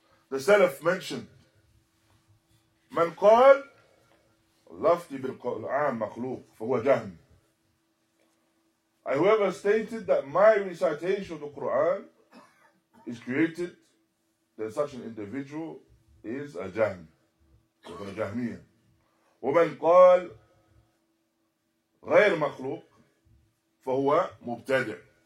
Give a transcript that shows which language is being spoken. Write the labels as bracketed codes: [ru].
[en] The Salaf mentioned, [ar] من قال لفظ بالقرآن مخلوق فهو جهم. [en] Whoever stated that my recitation of the Quran is created, then such an individual is a jahm, a Jahmiyyah. [ar] ومن قال غير مخلوق فهو مبتدع.